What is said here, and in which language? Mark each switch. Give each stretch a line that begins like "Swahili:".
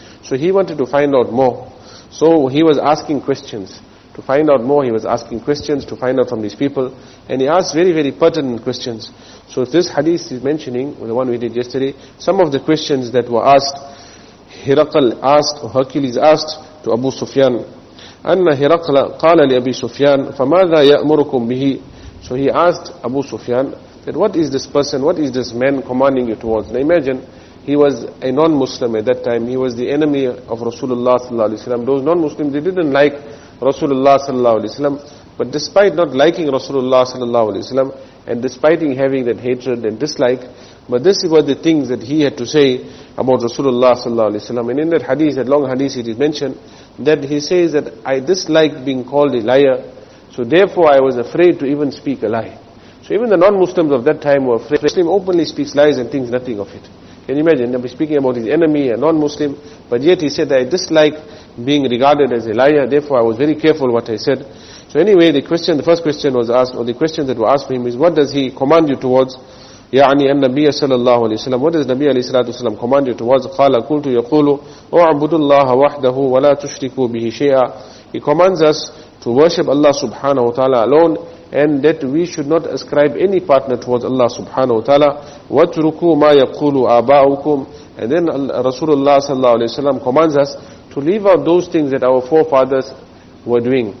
English: So he wanted to find out more. So he was asking questions. To find out more, he was asking questions to find out from these people. And he asked very, very pertinent questions. So this hadith is mentioning, the one we did yesterday, some of the questions that were asked, Hiraqal asked, or Hercules asked to Abu Sufyan.
Arabic: أن هرقل قال لأبي سفيان فماذا يأمركم به.
English: So he asked Abu Sufyan that what is this person, what is this man commanding you towards? Now imagine, he was a non-Muslim at that time. He was the enemy of Rasulullah sallallahu alaihi wasallam. Those non-Muslims, they didn't like Rasulullah sallallahu alaihi wasallam. But despite not liking Rasulullah sallallahu alaihi wasallam, and despite having that hatred and dislike, but this was the things that he had to say about Rasulullah sallallahu alaihi wasallam. And in that hadith, that long hadith, it is mentioned that he says that I dislike being called a liar, so therefore I was afraid to even speak a lie. So even the non-Muslims of that time were afraid. A Muslim openly speaks lies and thinks nothing of it. Can you imagine? They'll be speaking about his enemy, a non-Muslim, but yet he said that I dislike being regarded as a liar, therefore I was very careful what I said. So anyway, the first question was asked, or the question that was asked for him is, what does he command you towards?
Arabic: يعني النبي صلى الله عليه وسلم.
English: What does Nabi
Arabic: عليه الصلاة والسلام
English: command you towards?
Arabic: قال قلت يقول أعبد الله وحده ولا تشركوا به شيئا.
English: He commands us to worship Allah subhanahu wa ta'ala alone, and that we should not ascribe any partner towards Allah subhanahu wa ta'ala.
Arabic: وتركوا ما يقول آباؤكم.
English: And then رسول الله
Arabic: صلى الله عليه وسلم
English: commands us to leave out those things that our forefathers were doing.